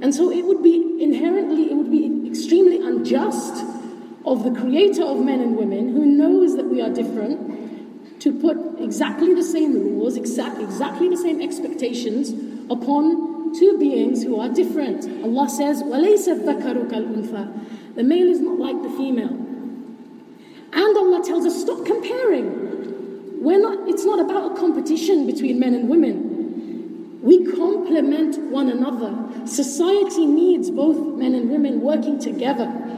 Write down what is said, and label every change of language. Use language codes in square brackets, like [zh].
[en] And so it would be extremely unjust of the Creator of men and women, who knows that we are different, to put exactly the same rules, exactly the same expectations upon two beings who are different. Allah says, [ar] وَلَيْسَ الذَّكَرُ كَالْأُنْثَى. [en] The male is not like the female. And Allah tells us, stop comparing. It's not about a competition between men and women. We complement one another. Society needs both men and women working together.